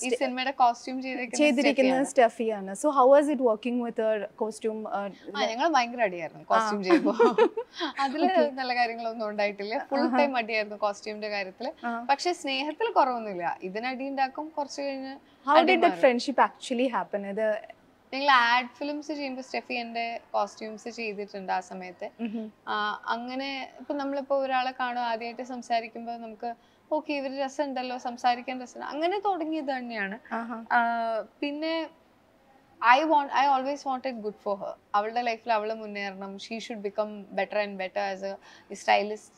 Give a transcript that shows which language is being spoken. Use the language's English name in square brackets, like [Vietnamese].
[Malayalam] ഈ സിനിമയുടെ കോസ്റ്റ്യൂം ചെയ്തിരിക്കുന്ന സ്റ്റെഫി ആണ്. [English] So how was it working with costume? [Malayalam] ഞങ്ങൾ ഭയങ്കര അടിയായിരുന്നു കോസ്റ്റ്യൂം ചെയ്യുമ്പോൾ, അതിൽ നല്ല കാര്യങ്ങളൊന്നും ഉണ്ടായിട്ടില്ല, ഫുൾ ടൈം അടിയായിരുന്നു കോസ്റ്റ്യൂമിന്റെ കാര്യത്തില്. പക്ഷെ സ്നേഹത്തിൽ കുറവൊന്നുമില്ല, ഇതിനടി ഉണ്ടാക്കും കുറച്ച് കഴിഞ്ഞ്. [English] How did the friendship actually happen? [Malayalam] ഞങ്ങൾ ആഡ് ഫിലിംസ് ചെയ്യുമ്പോൾ സ്റ്റെഫി എൻ്റെ കോസ്റ്റ്യൂംസ് ചെയ്തിട്ടുണ്ട് ആ സമയത്ത്. അങ്ങനെ ഇപ്പം നമ്മളിപ്പോൾ ഒരാളെ കാണുക, ആദ്യമായിട്ട് സംസാരിക്കുമ്പോൾ നമുക്ക് ഓക്കെ ഇവർ രസമുണ്ടല്ലോ, സംസാരിക്കാൻ രസമുണ്ട്, അങ്ങനെ തുടങ്ങിയത് തന്നെയാണ്. [English] പിന്നെ I always wanted good for her, [Malayalam] അവളുടെ ലൈഫിൽ അവൾ മുന്നേറണം, [English] She should become better and better as a stylist.